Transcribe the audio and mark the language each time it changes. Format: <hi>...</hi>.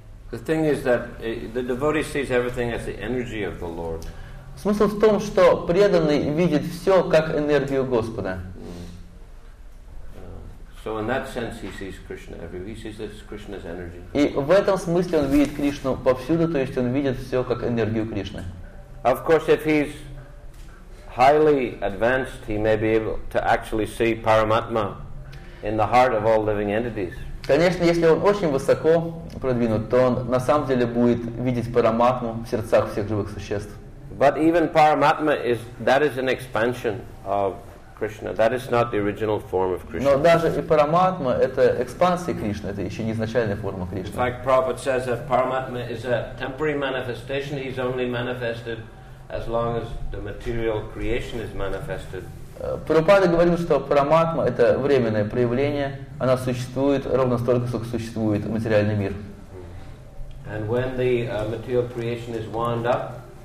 <en>The thing is that the devotee sees everything as the energy of the Lord.</en> <ru>Смысл в том, что преданный видит все как энергию Господа.</ru> <en>So in that sense, he sees Krishna everywhere. He sees Krishna's energy.</en> <ru>И в этом смысле он видит Кришну повсюду, то есть он видит все как энергию Кришны.</ru> <en>Of course, if he's highly advanced, he may be able to actually see Paramatma in the heart of all living entities.</en> <ru>Конечно, если он очень высоко продвинут, то он на самом деле будет видеть Параматму в сердцах всех живых существ.</ru> <en>But even Paramatma is that is an expansion of Krishna. That is not the original form of Krishna.</en> <ru>Но даже и Параматма это экспансия Кришны, это еще не изначальная форма Кришны.</ru> <en>In fact, Prabhupada says that Paramatma is a temporary manifestation. He's only manifested as long as the material creation is manifested.</en> <ru>Прабхупада говорил, что Параматма это временное проявление. Она существует ровно столько, сколько существует материальный мир.</ru> <en>And when the material creation is wound up.</en>